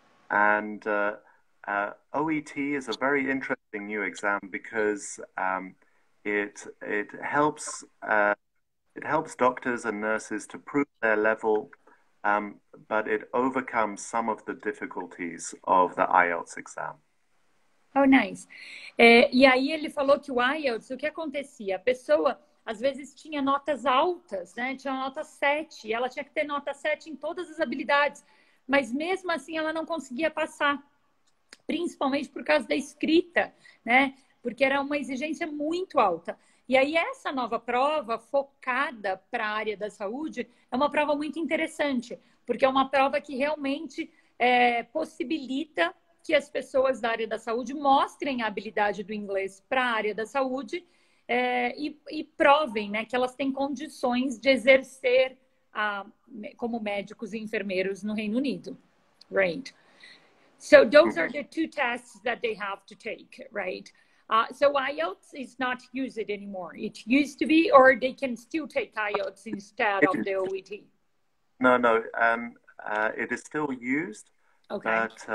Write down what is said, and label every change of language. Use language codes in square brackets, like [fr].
[en] And OET is a very interesting new exam because it helps doctors and nurses to prove their level, but it overcomes some of the difficulties of the IELTS exam. Oh, nice. [pt] É, e aí ele falou que o IELTS, o que acontecia? A pessoa às vezes tinha notas altas, né? Tinha nota 7, e ela tinha que ter nota 7 em todas as habilidades, mas mesmo assim ela não conseguia passar, principalmente por causa da escrita, né? Porque era uma exigência muito alta. E aí essa nova prova focada para a área da saúde é uma prova muito interessante, porque é uma prova que realmente possibilita que as pessoas da área da saúde mostrem a habilidade do inglês para a área da saúde e provem, né, que elas têm condições de exercer como médicos e enfermeiros no Reino Unido. [en] Right. So those are the two tests that they have to take, right? So IELTS is not used anymore. It used to be, or they can still take IELTS instead of the OET. No, it is still used, Okay.